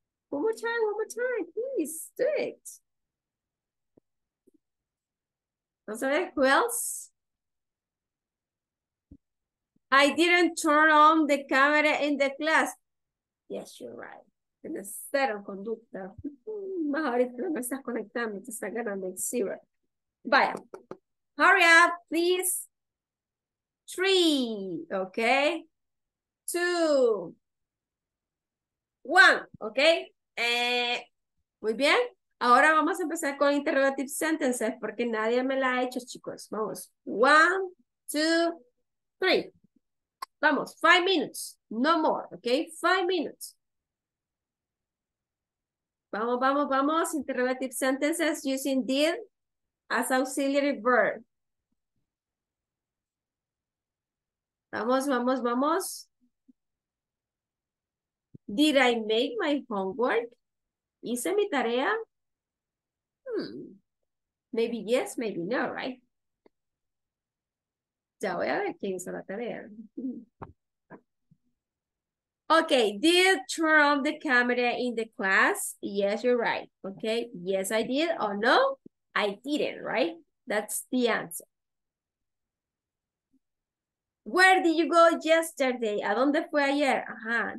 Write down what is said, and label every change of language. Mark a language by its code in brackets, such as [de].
[en] One more time, please, do it. [es] Vamos a ver, [en] who else? I didn't turn on the camera in the class. Yes, you're right. [es] Tienes cero conducta. Más ahorita no estás conectando, te estás ganando en zero. [en] Vaya, hurry up, please. Three, okay. Two. One, okay. [es] Muy bien. Ahora vamos a empezar con [en] interrogative sentences [es] porque nadie me la ha hecho, chicos. Vamos. [en] One, two, three. [es] Vamos, [en] 5 minutes. No more, okay. 5 minutes. [es] Vamos, vamos, vamos. [en] Interrogative sentences using did as auxiliary verb. [es] Vamos, vamos, vamos. [en] Did I make my homework? [es] ¿Hice mi tarea? [en] Maybe yes, maybe no, right? [es] Ya voy a ver quién hizo la tarea. [en] Okay, did turn on the camera in the class? Yes, you're right. Okay, yes, I did. Or no, I didn't, right? That's the answer. Where did you go yesterday? [es] ¿A dónde fue ayer? [en] Ajá.